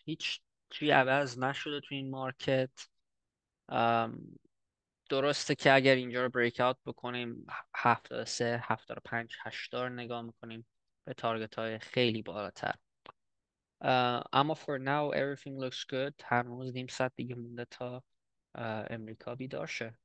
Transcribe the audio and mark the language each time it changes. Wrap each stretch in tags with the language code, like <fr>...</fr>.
<fa>هیچ چی عوض نشده تو این مارکت. درسته که اگر اینجا رو بریک آوت بکنیم 73, 75, 80 نگاه میکنیم به تارگت های خیلی بالاتر. اما</fa> <en>for now everything looks good.</en> <fa>هنوز نیم ساعت دیگه مونده تا امریکا بیدار شه.</fa>